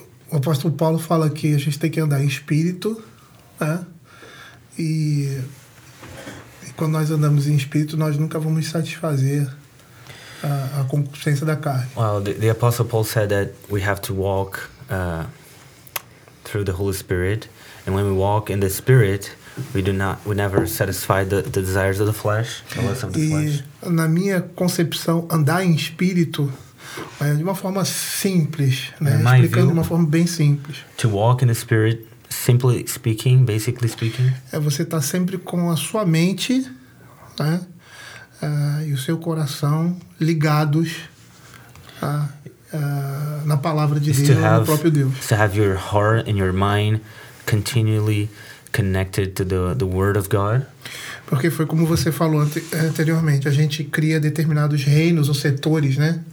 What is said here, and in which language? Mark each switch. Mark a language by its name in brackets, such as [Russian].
[Portuguese] O apóstolo Paulo fala que a gente tem que andar em espírito, né? E quando nós andamos em espírito, nós nunca vamos satisfazer a concupiscência da carne. [English] Well, the apostle Paul said that we have to walk through the Holy Spirit, and when we walk in the Spirit, we never satisfy the desires of the flesh, the lust of the flesh. [Portuguese] Na minha concepção, andar em espírito é de uma forma simples, né? Explicando de uma forma bem simples. [English] To walk in the Spirit, simply speaking, basically speaking. [Portuguese] É você estar sempre com a sua mente, né? E o seu coração ligados na palavra de Deus, no próprio Deus. [English] To have your heart and your mind continually connected to the word of God. [Portuguese] Porque foi como você falou anteriormente, a gente cria determinados reinos ou setores, né?